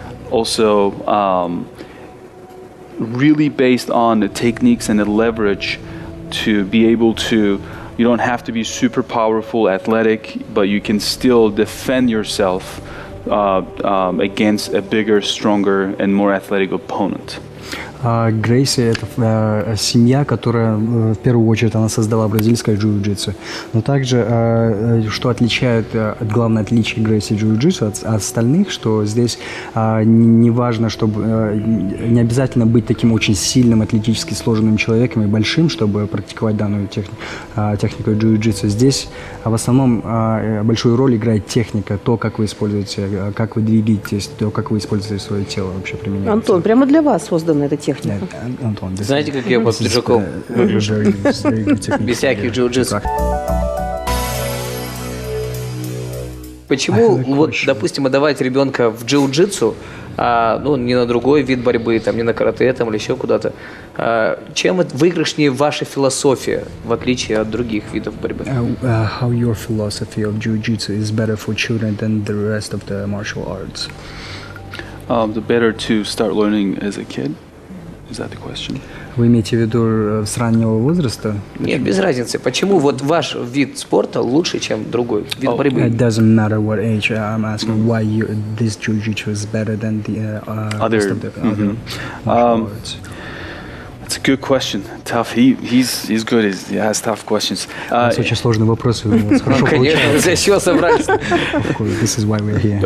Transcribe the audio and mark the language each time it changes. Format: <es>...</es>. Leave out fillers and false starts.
<en>Also, really based on the techniques and the leverage to be able to. You don't have to be super powerful, athletic, but you can still defend yourself against a bigger, stronger, and more athletic opponent.</en> <ru>Грейси – это семья, которая, в первую очередь, она создала бразильское джиу-джитсу. Но также, что отличает, главное отличие Грейси джиу-джитсу от остальных, что здесь не важно, чтобы не обязательно быть таким очень сильным, атлетически сложенным человеком и большим, чтобы практиковать данную технику джиу-джитсу. Здесь в основном большую роль играет техника, то, как вы используете, как вы двигаетесь, то, как вы используете свое тело вообще применяется. Антон, прямо для вас создана эта техника. Антон, знаете, как я под пиджаком выгляжу? Без всяких джиу-джитсу. Почему, вот, допустим, отдавать ребенка в джиу-джитсу, ну, не на другой вид борьбы, там, не на карате, там, или еще куда-то. Чем выигрышнее ваша философия, в отличие от других видов борьбы?</ru> <en>How your philosophy of jiu-jitsu is better for children than the rest of the martial arts? The better to start learning as a kid. Is that the question?</en> <ru>Вы имеете в виду с раннего возраста? Нет, без разницы. Почему вот ваш вид спорта лучше, чем другой вид борьбы?</ru> <en>It doesn't matter what age. I'm asking why you, this jiu-jitsu is better than the other. It's a good question. Tough. He's good. He has tough questions.</en> <ru>Очень сложный вопрос.</ru> <en>This is why we're here.</en>